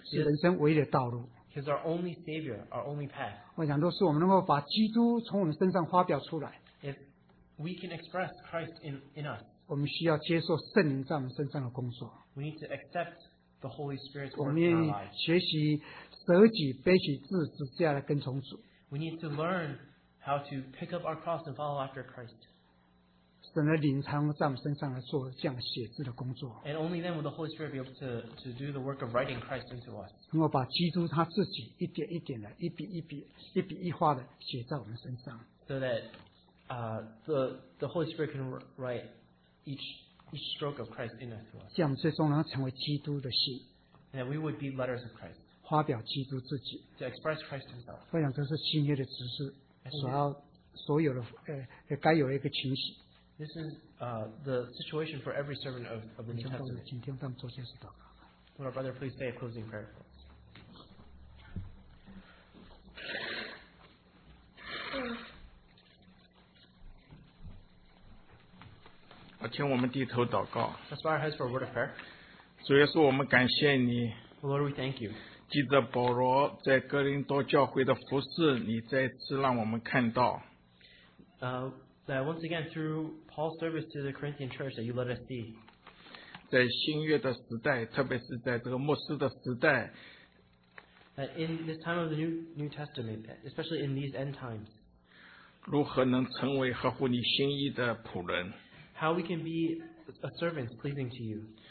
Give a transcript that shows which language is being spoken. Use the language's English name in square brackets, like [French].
[English] he is our only Savior, our only path. [Chinese] 我想都是我们能够把基督从我们身上发表出来, [English] if we can express Christ in us, [Chinese] 我们需要接受圣灵在我们身上的工作, [English] we need to accept the Holy Spirit's work in our lives. [Chinese] 我们学习舍己背起自己的跟从主, [English] we need to learn how to pick up our cross and follow after Christ. [Chinese] 神的灵才能在我们身上来做这样写字的工作, [English] and only then will the Holy Spirit be able to do the work of writing Christ into us. [Chinese] 能够把基督他自己一点一点的一笔一笔一笔一画的写在我们身上, [English] so that the Holy Spirit can write each stroke of Christ into us. [Chinese] 这样最终能成为基督的信, [English] and that we would be letters of Christ, [Chinese] 发表基督自己, [English] to express Christ himself. [Chinese] 我想这是新约的指示, 所要所有的该有一个情形。 [English] This is the situation for every servant of the New Testament. Would our brother please say a closing prayer for us? Let's bow our heads for a word of prayer. Lord, we thank you. [Chinese] 记得保罗在哥林多教会的服事，你再次让我们看到。 [English] That once again through Paul's service to the Corinthian church that you let us see. [Chinese] 在新约的时代，特别是在这个末世的时代。 [English] That in this time of the New Testament, especially in these end times. [Chinese] 如何能成为合乎你心意的仆人？ [English] How we can be a servant pleasing to you.